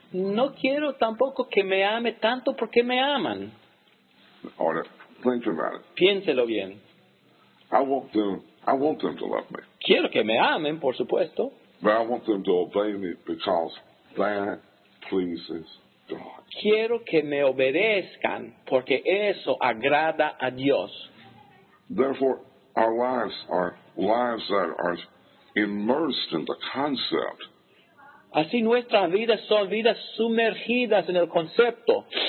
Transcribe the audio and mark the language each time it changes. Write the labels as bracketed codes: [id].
[es] No quiero tampoco que me ame tanto porque me aman. [en] All right, think about it. [es] Piénselo bien. [en] I want them to love me. [es] Quiero que me amen, por supuesto. [en] But I want them to obey me because that pleases God. [es] Quiero que me obedezcan porque eso agrada a Dios. [en] Therefore, our lives are lives that are immersed in the concept. [es] Así nuestras vidas son vidas sumergidas en el concepto.